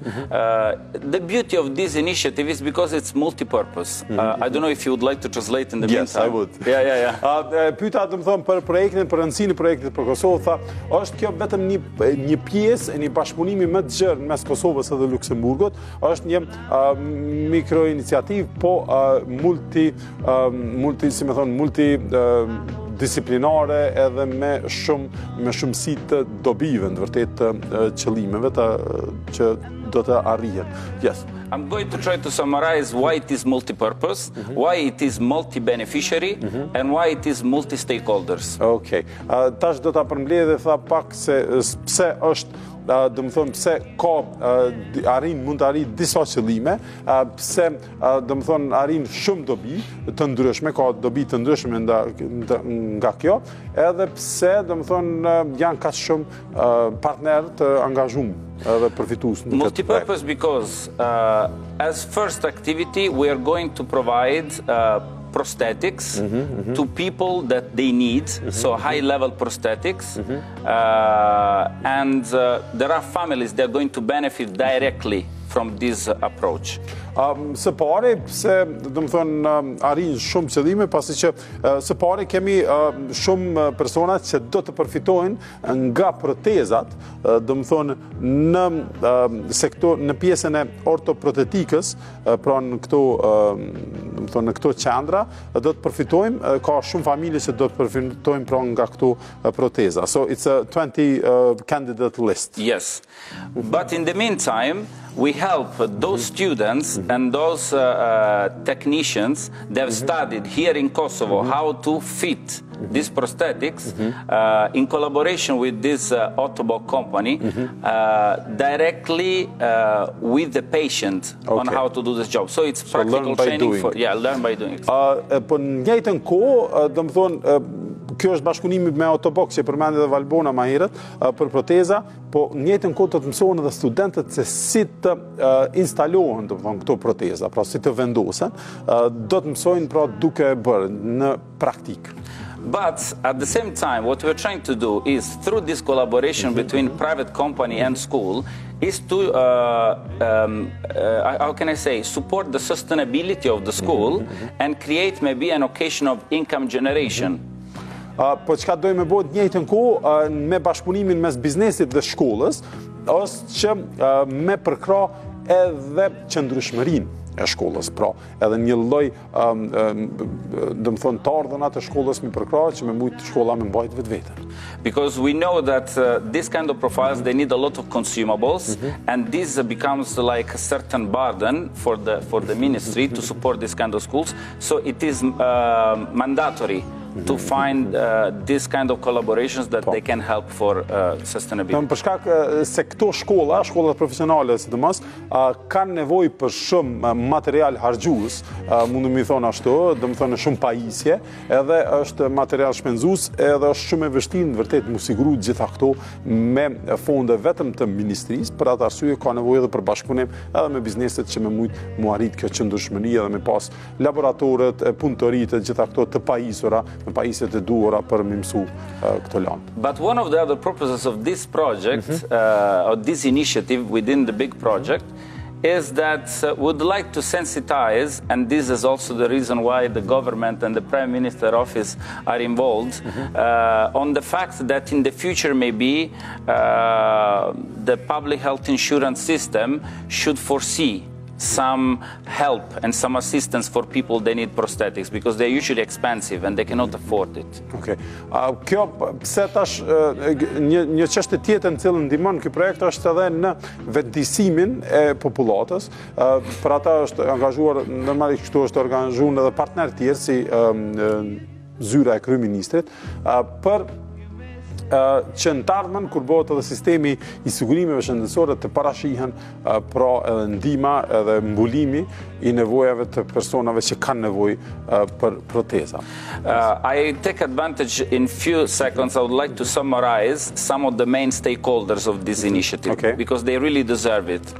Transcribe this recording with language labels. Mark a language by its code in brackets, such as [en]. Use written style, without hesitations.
[en] Mm-hmm. The beauty of this initiative is because it's multi-purpose. Mm-hmm. I don't know if you would like to translate in the yes, meantime. Yes, I would. Yeah, yeah, yeah. [sq] Pyta të më thonë për projektin, për rëndësinë e projektit për Kosovë, tha, është kjo vetëm një pjesë e një bashkëpunimi më të gjerë mes Kosovës dhe Luksemburgut, është një mikroiniciativë, po disiplinare edhe me shumë si të dobive në vërtet të qëllimeve që do të arrihen. [en] Yes. I'm going to try to summarize why it is multi-purpose, mm-hmm. why it is multi-beneficiary, mm-hmm. and why it is multi-stakeholders. Okay. [sq] Tash do të përmbledhë dhe tha pak se pse është do më thonë pse ka mund të arrin disa qëllime, pse do më thonë arrin shumë dobi të ndryshme, ka dobi të ndryshme nga kjo, edhe pse do më thonë janë ka shumë partner të angazhum edhe përfitues në [en] multipurpose because as first activity we are going to provide prosthetics mm-hmm, mm-hmm. to people that they need, mm-hmm, so high level prosthetics, mm-hmm. And there are families that are going to benefit directly from this approach. [sq] Së pari, pse do të thon arrin shumë qëllime, pasi që së pari kemi shumë persona që do të përfitojnë nga protezat, do të thon në sektor në pjesën e ortoprotetikës, pra në këto do të thon në këto qendra do të përfitojmë, ka shumë familje që do të përfitojnë pra nga këto proteza. [en] So it's a 20 candidate list. Yes. But in the meantime, we help those students and those technicians that have studied here in Kosovo how to fit these prosthetics in collaboration with this Autobot company directly with the patient okay. on how to do this job. So it's practical learn by training doing. For yeah, learn by doing. [sq] Po njëjtën kohë, domthon kjo është bashkëpunimi me Autobot që përmendet Valbona më herët për proteza, po njëjtën kohë të mësohen edhe studentët se si të instalohen domthon këto proteza, pra si të vendosen, do të mësojnë pra duke e bërë në praktikë. [en] But at the same time, what we're trying to do is through this collaboration between private company and school is to, how can I say, support the sustainability of the school and create maybe an occasion of income generation. [sq] Po çka dojmë me bëjmë njëjtën kohë me bashkëpunimin mes biznesit dhe shkollës, është që me përkrah edhe qëndrueshmërinë. E shkollës, pra, edhe një lloj domthon të ardhënat e shkollës mi përkrahet që me mujt shkolla me mbajt vetveten. [en] Because we know that this kind of profiles they need a lot of consumables and this becomes like a certain burden for the ministry to support this kind of schools, so it is mandatory to find this kind of collaborations that they can help for sustainability. [sq] Por shkak se këto shkolla, shkollat profesionale sidomos, kanë nevojë për shumë material harxhues, mundu mi thon ashtu, domethënë shumë pajisje, edhe është material shpenzues, edhe është shumë e vështirë vërtet mu siguru gjitha këto me fonde vetëm të ministrisë, për atë arsye ka nevojë edhe për bashkëpunim edhe me bizneset që më mujt mu arrit kjo qëndrueshmëri edhe me pas laboratorët, punëtoritë, gjitha këto të pajisura, me pajisjet e duhura për më mësu këto lëndë. [en] But one of the other purposes of this project or this initiative within the big project is that would like to sensitize, and this is also the reason why the government and the Prime Minister office are involved on the fact that in the future maybe the public health insurance system should foresee some help and some assistance for people they need prosthetics because they are usually expensive and they cannot afford it. Okay. [sq] Kjo pse tash një çështë tjetër në cilën ndihmon ky projekt është edhe në vendisimin e popullatës. Për ata është angazhuar normalisht këtu është organizuar edhe partner tjerë si zyra e kryeministrit për që në tardhmen, kur bëhet edhe sistemi i sigurimeve shëndetësore të parashihen pra edhe ndihma edhe mbulimi i nevojave të personave që kanë nevojë për proteza. [en] I take advantage in few seconds, I would like to summarize some of the main stakeholders of this initiative, okay. Because they really deserve it.